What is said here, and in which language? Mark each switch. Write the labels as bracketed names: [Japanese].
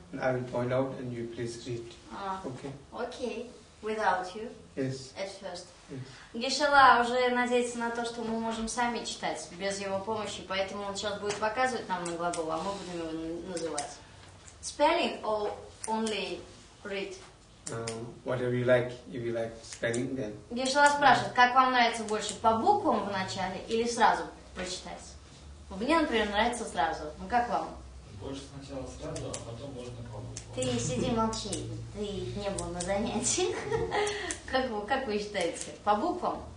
[English] And I will point out and you please read. Okay. Okay. Without you. Yes. At first. Yes. [Russian] Гешала уже надеется на то, что мы можем сами читать без его помощи, поэтому он сейчас будет показывать нам на глагол, а мы будем его называть. [English] Spelling or only read? Whatever you like, if you like spelling, then. [Russian] Гешала спрашивает, как вам нравится больше, по буквам в начале или сразу прочитать? Мне, например, нравится сразу. Ну как вам? Больше сначала сразу, а потом можно по буквам. Ты сиди молчи, ты не был на занятиях. Как вы считаете, по буквам?